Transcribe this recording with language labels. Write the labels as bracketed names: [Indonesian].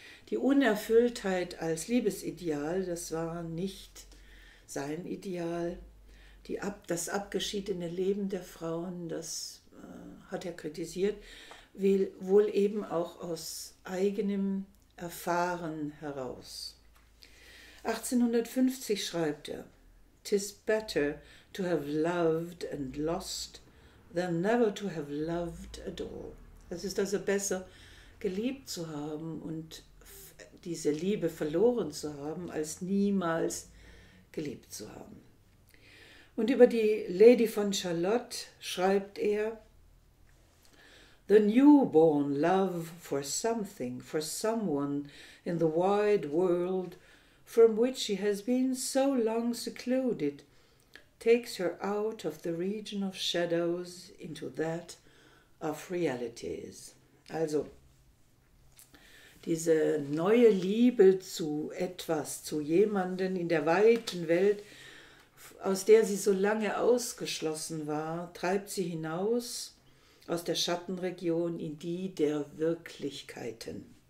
[German] Die Unerfülltheit als Liebesideal, das war nicht sein Ideal. Das abgeschiedene Leben der Frauen, das hat er kritisiert, wohl eben auch aus eigenem Erfahren heraus. [English] 1850 [German] schreibt er: [English] "'Tis better to have loved and lost than never to have loved at all." [German] Es ist also besser, geliebt zu haben und diese Liebe verloren zu haben, als niemals geliebt zu haben. Und über die Lady von Charlotte schreibt er: [English] "The newborn love for something, for someone in the wide world from which she has been so long secluded, takes her out of the region of shadows into that of realities." [German] Also, diese neue Liebe zu etwas, zu jemanden in der weiten Welt, aus der sie so lange ausgeschlossen war, treibt sie hinaus aus der Schattenregion in die der Wirklichkeiten.